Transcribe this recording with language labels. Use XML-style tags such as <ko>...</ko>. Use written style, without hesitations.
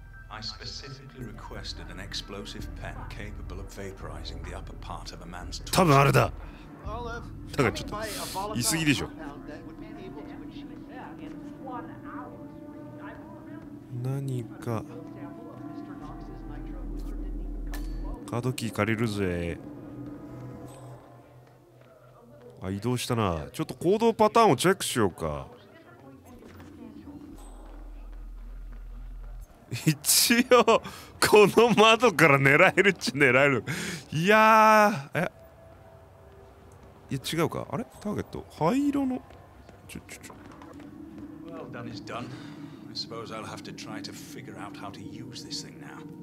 <en>I specifically requested an explosive pen capable of vaporizing the upper part of a man's torso.</en> <ja>多分あれだ。だからちょっと言い過ぎでしょ。何かカードキー借りるぜ。あ、移動したな。ちょっと行動パターンをチェックしようか。一応この窓から狙えるっちゃ狙える。いやー、え、いや違うか。あれ、ターゲット灰色の。ちょちょちょ、</ja> <en>I suppose I'll have to try to figure out how to use this thing now.</en>